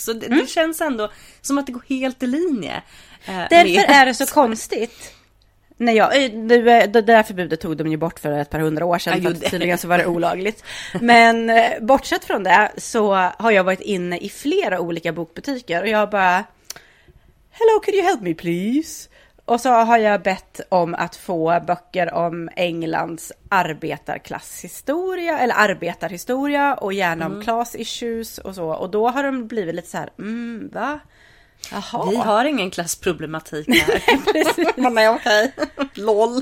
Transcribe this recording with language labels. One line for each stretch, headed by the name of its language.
Swedish: Så det känns ändå som att det går helt i linje. Därför är det så konstigt. Nej, det där förbudet tog de ju bort för ett par hundra år sedan. För att tydligen så var det olagligt. Men bortsett från det så har jag varit inne i flera olika bokbutiker. Och jag bara,
English: hello, could you help me please?
Swedish: Och så har jag bett om att få böcker om Englands arbetarklasshistoria. Eller arbetarhistoria och gärna om class issues och så. Och då har de blivit lite så här, va? Jaha. Vi har ingen klassproblematik här. Nej, precis. Okej. Lol.